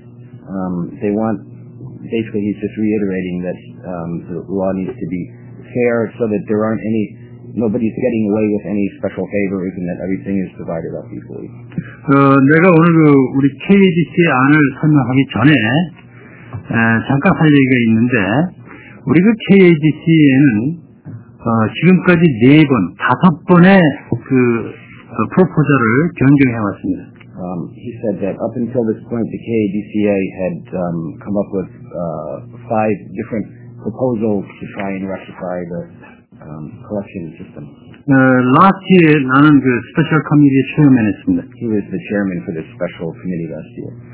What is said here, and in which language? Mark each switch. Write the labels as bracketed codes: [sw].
[en] They want, basically he's just reiterating that the law needs to be fair so that there aren't any, nobody's getting away with any special favors and that everything is divided up equally. [ko] 내가 오늘 그 우리 KDC 안을 설명하기 전에 잠깐 할 얘기가 있는데 우리 그 KDC에는 지금까지 5번의 프로포저를 경쟁해 왔습니다. [en] He said that up until this point, the KADCA had come up with 5 different proposals to try and rectify the collection system. Last year, [ko] 나는 그 [en] special committee chairman [ko] 했습니다. [en] He was the chairman for the special committee last year.